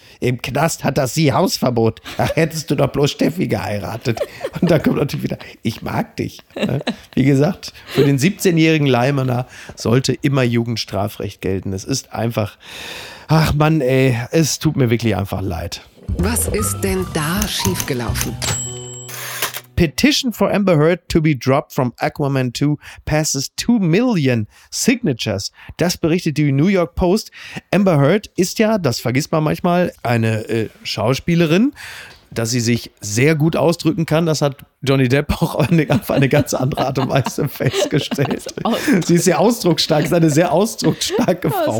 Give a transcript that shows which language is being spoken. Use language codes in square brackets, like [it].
[de] Im Knast hat das sie Hausverbot. Da hättest du doch bloß Steffi geheiratet. Und da kommt natürlich wieder, ich mag dich. Wie gesagt, für den 17-jährigen Leimaner sollte immer Jugendstrafrecht gelten. Es ist einfach, ach Mann ey, es tut mir wirklich einfach leid. Was ist denn da schiefgelaufen? [en] Petition for Amber Heard to be dropped from Aquaman 2 passes 2 million signatures. [de] Das berichtet die New York Post. Amber Heard ist ja, das vergisst man manchmal, eine Schauspielerin, dass sie sich sehr gut ausdrücken kann. Das hat Johnny Depp auch auf eine ganz andere Art und Weise festgestellt. Sie ist sehr ausdrucksstark, ist eine sehr ausdrucksstarke Frau.